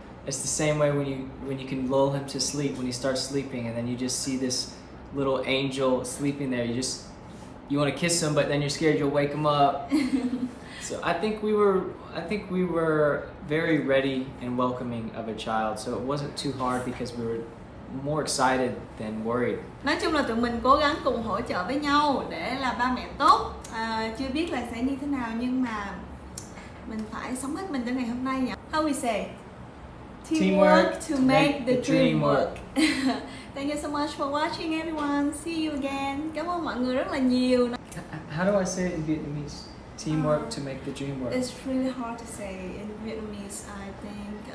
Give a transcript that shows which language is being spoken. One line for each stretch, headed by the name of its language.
English: It's the same way when you can lull him to sleep, when he starts sleeping and then you just see this little angel sleeping there. You want to kiss him, but then you're scared you'll wake him up. So I think we were very ready and welcoming of a child. So it wasn't too hard because we were more excited than worried.
Vietnamese: Nói chung là tụi mình cố gắng cùng hỗ trợ với nhau để là ba mẹ tốt. Chưa biết là sẽ như thế nào, nhưng mà mình phải sống hết mình cho ngày hôm nay nhỉ?
English: How we say? Teamwork to make the dream work. Thank you so much for watching, everyone. See you again.
Vietnamese: Cảm ơn mọi người rất là nhiều.
English: How do I say it in Vietnamese? Teamwork to make the dream work. It's really hard to say in Vietnamese, I think.